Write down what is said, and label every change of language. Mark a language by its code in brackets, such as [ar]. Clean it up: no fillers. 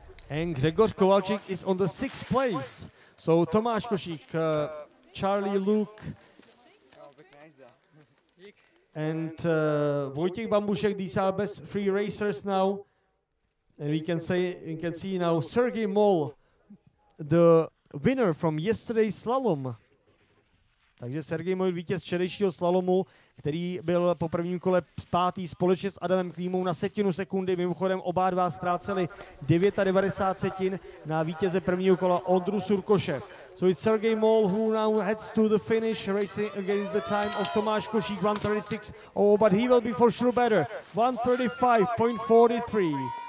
[en] And Gregor Kovalčík is on the sixth place. So Tomáš Košík, Charlie Luke, and Vojtěch Bambušek, these are best three racers now. And we can see now Sergej Moll, the winner from yesterday's slalom. [cs] Takže Sergej Moll, vítěz včerejšího slalomu, který byl po prvním kole pátý společně s Adamem Klímou na setinu sekundy. Mimochodem oba dva ztráceli 99 setin na vítěze prvního kola Ondru Surkoše. [en] So it's Sergej Moll who now heads to the finish, racing against the time of Tomáš Košík, 136.00, but he will be for sure better, 135.43.